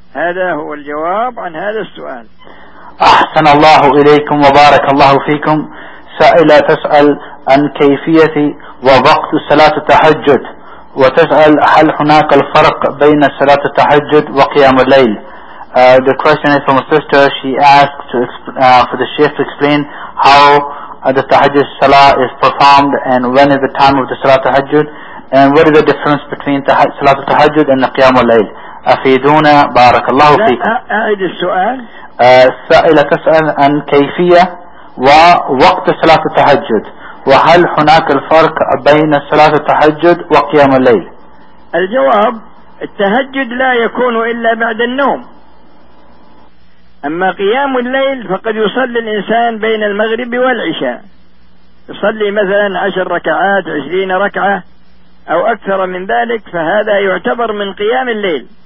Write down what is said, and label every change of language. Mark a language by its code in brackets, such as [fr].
[ar] هذا هو الجواب عن هذا السؤال. أحسن الله إليكم وبارك الله فيكم. سائلة تسأل عن كيفية ووقت صلاة التهجد، وتسأل هل هناك الفرق بين صلاة التهجد وقيام الليل. [en] The question is from a sister. She asked to for the sheikh to explain how the tahajjud salah is performed and when is the time of the salah tahajjud and what is the difference between salah tahajjud and qiyam al-layl. [ar] أفيدونا بارك الله فيك. أعيد السؤال. سائلة تسأل عن كيفية ووقت صلاة التهجد، وهل هناك الفرق بين صلاة التهجد وقيام الليل؟ الجواب: التهجد لا يكون إلا بعد النوم، أما قيام الليل فقد يصلي الإنسان بين المغرب والعشاء، يصلي مثلا 10 ركعات 20 ركعة أو أكثر من ذلك، فهذا يعتبر من قيام الليل.